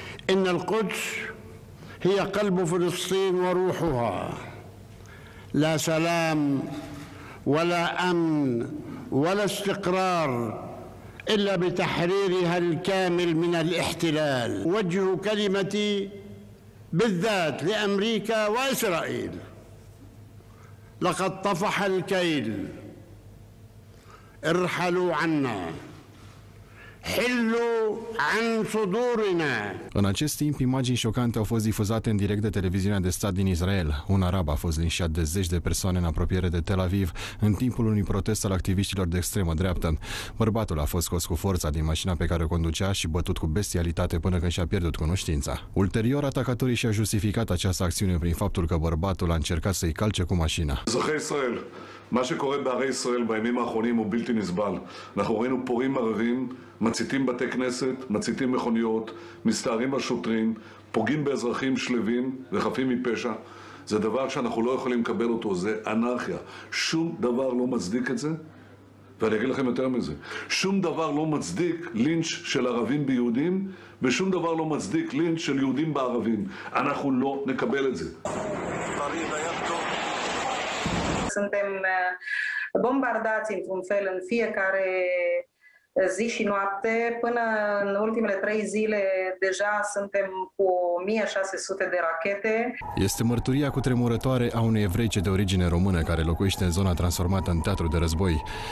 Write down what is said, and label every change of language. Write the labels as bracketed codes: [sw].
[ar] إن القدس هي قلب فلسطين وروحها لا سلام ولا أمن ولا استقرار إلا بتحريرها الكامل من الاحتلال وجه كلمتي بالذات لأمريكا وإسرائيل لقد طفح الكيل ارحلوا عنا حلوا عن صدورنا. [ro] În acest timp, imagini șocante au fost difuzate în direct de televiziunea de stat din Israel. Un arab a fost linșat de zeci de persoane în apropiere de Tel Aviv în timpul unui protest al activiștilor de extremă dreaptă. Bărbatul a fost scos cu forța din mașina pe care o conducea și bătut cu bestialitate până când și-a pierdut cunoștința. Ulterior, atacatorii și-au justificat această acțiune prin faptul că bărbatul a încercat să-i calce cu mașina. [he] מה שקורה בערי ישראל בימים האחרונים הוא בלתי נסבל. אנחנו ראינו פורים ערבים, מציתים בתי כנסת, מציתים מכוניות, מסתערים בשוטרים, פוגעים באזרחים שלווים וחפים מפשע. זה דבר שאנחנו לא יכולים לקבל אותו, זה אנרכיה. שום דבר לא מצדיק את זה. ואני אגיד לכם יותר מזה. שום דבר לא מצדיק לינץ' של ערבים ביהודים, ושום דבר לא מצדיק לינץ' של יהודים בערבים. אנחנו לא נקבל את זה. [ro] Suntem bombardați într-un fel în fiecare zi și noapte. Până în ultimele trei zile deja suntem cu 1600 de rachete. Este mărturia cutremurătoare a unei evreice de origine română care locuiește în zona transformată în teatru de război.